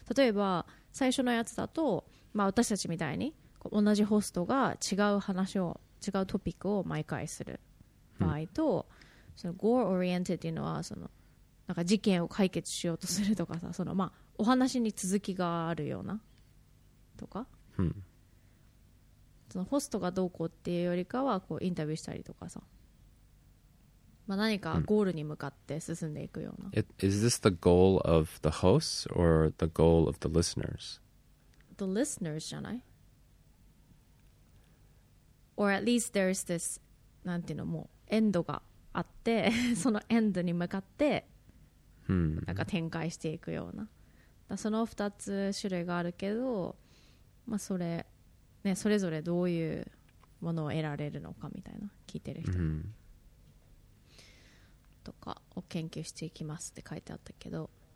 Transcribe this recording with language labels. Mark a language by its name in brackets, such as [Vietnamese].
[Japanese] 例えば、最初のやつだと、まあ、私たちみたいに、同じホストが違う話を、違うトピックを毎回する場合と、そのゴールオリエンテッドというのはそのなんか事件を解決しようとするとかさ、そのまあお話に続きがあるようなとか、そのホストがどうこうっていうよりかはこうインタビューしたりとかさ、まあ何かゴールに向かって進んでいくような。 [English] Is this the goal of the hosts or the goal of the listeners? The listeners [Japanese] じゃない？ [English] Or at least there's this [Japanese] なんていうの、もうエンドがあって、そのエンドに向かってなんか展開していくような、だその2つ種類があるけど、まあ それ、ね、それぞれどういうものを得られるのかみたいな、聞いてる人とかを研究していきますって書いてあったけど。